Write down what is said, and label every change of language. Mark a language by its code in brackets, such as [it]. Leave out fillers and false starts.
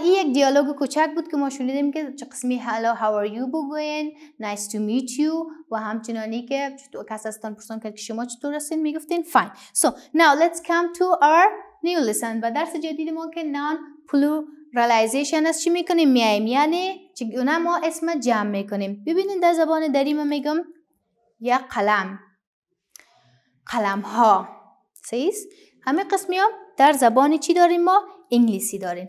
[fa] ای یک دیالوگ کوچک بود که ما شنیدیم که چه قسمی [en] hello, how are you [fa] بگوین، [en] nice to meet you، [fa] و همچنانی که کس ازتان پرسان کرد که شما چطور هستین میگفتین [en] fine. So now let's come to our new lesson. [fa] و درس جدید ما که noun pluralization است چی میکنیم؟ میاییم، یعنی چگونه ما اسم جمع میکنیم. ببینید در زبان دری ما میگم یک قلم، قلم ها. سیز همه قسمی ها در زبان چی داریم ما؟ انگلیسی داریم.